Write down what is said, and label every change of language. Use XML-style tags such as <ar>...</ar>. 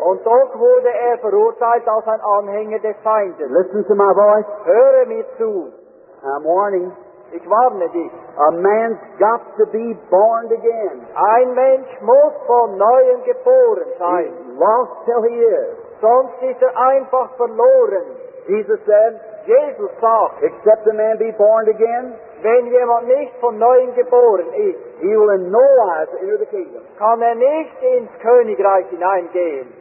<de>Und doch wurde verurteilt als ein Anhänger des Feindes.</de> <en>Listen to my voice.</en> <de>Höre mir zu.</de> <en>I'm warning.</en> <de>Ich warne dich.</de> <en>A man's got to be born again.</en> <de>Ein Mensch muss von neuem geboren sein.</de> <en>He's lost till he is.</en> <de>Sonst ist einfach verloren.</de> <en>Jesus said,</en> <de>Jesus sagt,</de> <en>except a man be born again,</en> <de>wenn jemand nicht von neuem geboren ist,</de> <en>he will in no wise enter the kingdom.</en> <de>Kann nicht ins Königreich hineingehen.</de>